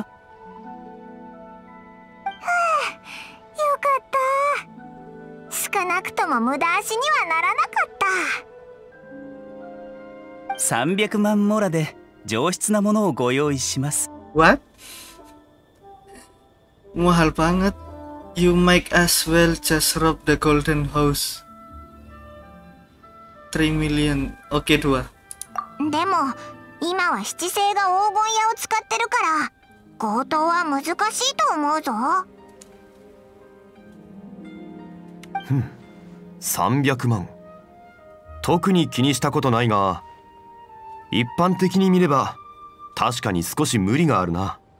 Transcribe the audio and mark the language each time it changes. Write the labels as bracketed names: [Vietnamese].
[Japanese] はあ、よかった。少なくとも無駄足にはならなかった。 300万モラで上質なものをご用意します。 [English] What? [Indonesian] Mahal banget. [English] You might as well just rob the golden house. 3 million. Okay, 2. [Japanese] でも今は七星が黄金屋を使ってるから強盗は難しいと思うぞ。 300万。特に気にしたことないが、一般的に見れば確かに少し無理があるな。